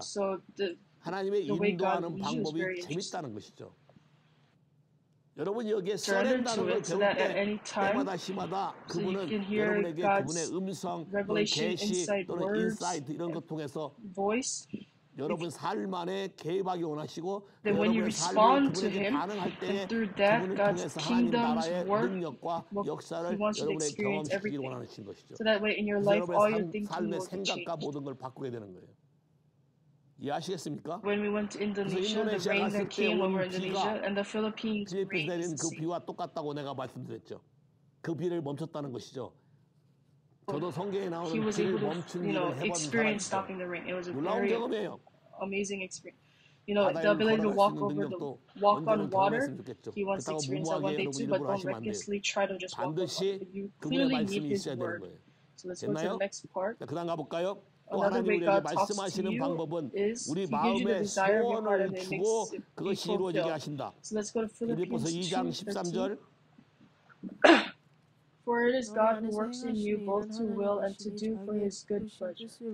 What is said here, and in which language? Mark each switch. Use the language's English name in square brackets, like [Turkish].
[English] So the way God leads you is very interesting. [Korean] 여러분 여기에 surrender를 배울 때 때마다 심하다 그분은 여러분에게 그분의 음성 계시 또는 인사이트 이런 것 통해서 여러분 삶 안에 개입하기 원하시고 여러분의 삶에 그분에게 반응할 때 그분을 통해서 하나님 나라의 능력과 역사를 여러분의 경험시키기 원하시는 것이죠. 여러분의 삶의 생각과 모든 걸 바꾸게 되는 거예요. [English] When we went to Indonesia, the rain that came when we were in Indonesia, and the Philippines rains the same. [Korean] 비와 똑같다고 내가 말씀드렸죠. 그 비를 멈췄다는 것이죠. 저도 성경에 나오는 비 멈춘 일을 해본 사람이죠. [English] Experience stopping the rain. It was a very amazing experience. You know, the ability to walk over the walk on water. He once experienced that one day too, but don't recklessly try to just walk over. You clearly need His word. So let's go to the next part. [Korean] 자, 그다음 가볼까요? 또 하나님이 우리에게 말씀하시는 방법은 우리 마음의 소원을 주고 그것이 이루어지게 하신다. 빌립보서 2장 13절 [English] For it is God who works in you both to will and to do for his good pleasure.